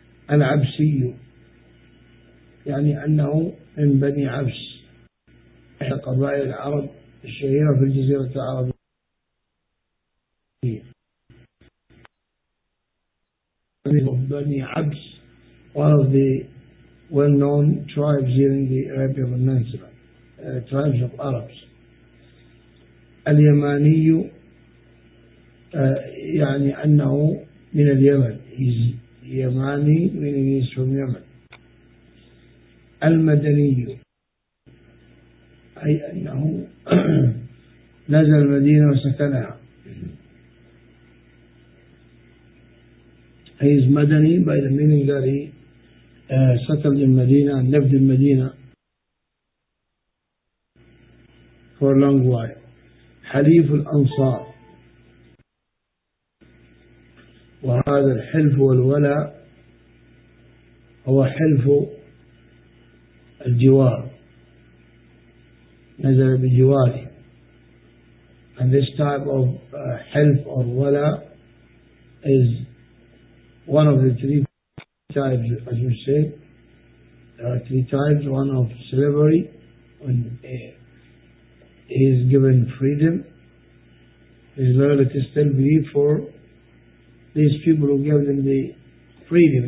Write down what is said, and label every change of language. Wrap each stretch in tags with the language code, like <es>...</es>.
<ar>العبسي يعني أنه من بني عبس، إحدى قبائل العرب الشهيرة في الجزيرة العربية.</ar> <en>بني عبس one of the well-known tribes here in the Arabian Peninsula, tribes of Arabs.</en> <ar>اليماني يعني أنه من اليمن،</ar> <en>he's</en> <ar>يماني من الناس من اليمن. المدني أي أنه نزل المدينة وسكنها.</ar> <en>He is مدني by the meaning that he settled in Medina and lived in Medina for a long while.</en> <ar>حليف الأنصار، وهذا الحلف والولاء هو حلف الجوار، نزل بجواره.</ar> <en>And this type of حلف or ولاء is one of the three types, as you say. There are three types: one of slavery, when he is given freedom, his loyalty still be for these people who gave him the freedom.</en>